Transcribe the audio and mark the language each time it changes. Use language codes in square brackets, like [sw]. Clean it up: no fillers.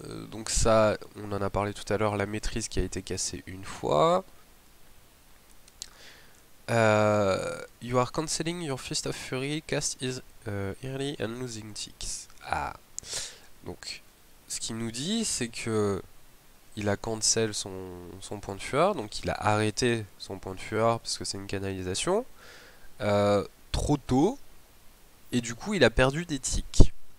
[fr] Donc ça, on en a parlé tout à l'heure, la maîtrise qui a été cassée une fois. [en] You are canceling your Fist of Fury, cast is early and losing ticks. Ah. [fr] Donc, ce qu'il nous dit, c'est que il a cancel son point de fureur, donc il a arrêté son point de fureur parce que c'est une canalisation, trop tôt, et du coup il a perdu des ticks.